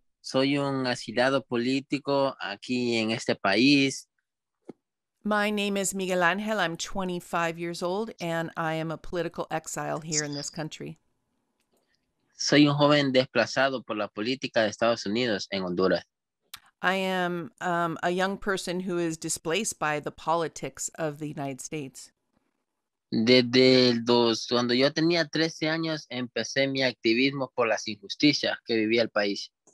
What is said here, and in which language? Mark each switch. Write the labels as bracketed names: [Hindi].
[Spanish] Soy un asilado político aquí en este país. [English] My name is Miguel Ángel. I'm 25 years old and I am a political exile here in this country. [Spanish] Soy un joven desplazado por la política de Estados Unidos en Honduras. [English] I am a young person who is displaced by the politics of the United States. [Spanish] Desde cuando yo tenía 13 años, empecé mi activismo por las injusticias que vivía el país.